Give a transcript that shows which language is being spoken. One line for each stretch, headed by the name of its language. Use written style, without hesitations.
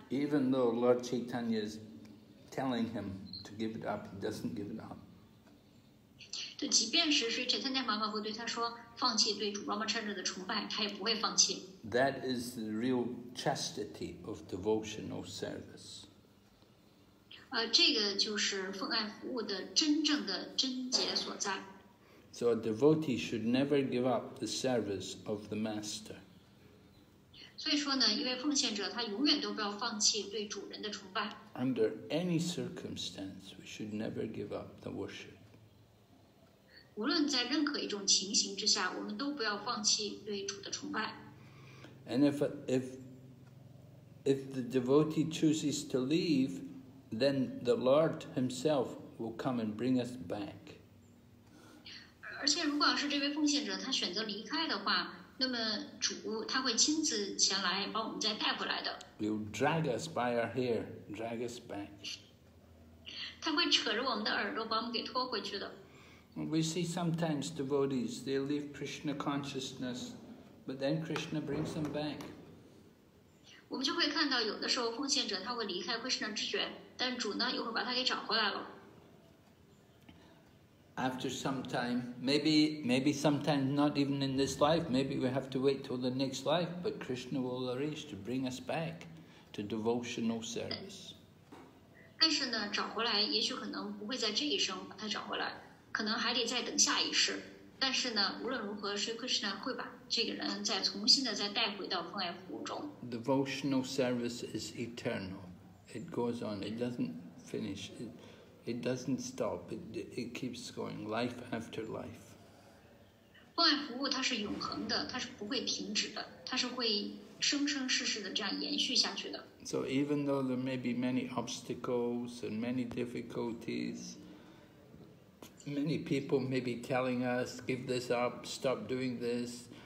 English: Even though Lord Chaitanya is telling him to give it up, he doesn't give it up.
Chinese: 对，即便是 Sri Chaitanya Mahaprabhu 对他说放弃对主 Ramachandra 的崇拜，他也不会放弃。
English: That is the real chastity of devotional service.
Chinese: 这个就是奉爱服务的真正的贞洁所在。
English: So a devotee should never give up the service of the master.
Chinese: 所以说呢，一位奉献者他永远都不要放弃对主人的崇拜。
English: Under any circumstance, we should never give up the worship.
Chinese: 无论在任何一种情形之下，我们都不要放弃对主的崇拜。
English: And if the devotee chooses to leave, then the Lord himself will come and bring us back.
Chinese: 而且如果要是这位奉献者他选择离开的话，那么主他会亲自前来把我们再带回来的。
English: He'll drag us by our hair, drag us back.
Chinese: 他会扯着我们的耳朵把我们给拖回去的。
English: We see sometimes devotees, they leave Krishna consciousness, but then Krishna brings them back.
Chinese: 我们就会看到有的时候奉献者他会离开 Krishna 知觉，但主呢又会把他给找回来了。
English: After some time, maybe sometimes not even in this life, maybe we have to wait till the next life, but Krishna will arrange to bring us back to devotional service.
Chinese: 但是呢，找回来也许可能不会在这一生把他找回来，可能还得再等下一世。但是呢，无论如何 ，Sri Krishna 会把这个人再重新的再带回到奉爱服务中。
English: Devotional service is eternal. It goes on. It doesn't finish. It doesn't stop. It keeps going, life after life.
Chinese: 奉爱服务它是永恒的，它是不会停止的，它是会生生世世的这样延续下去的。
English: So even though there may be many obstacles and many difficulties, many people may be telling us, "Give this up, stop doing this."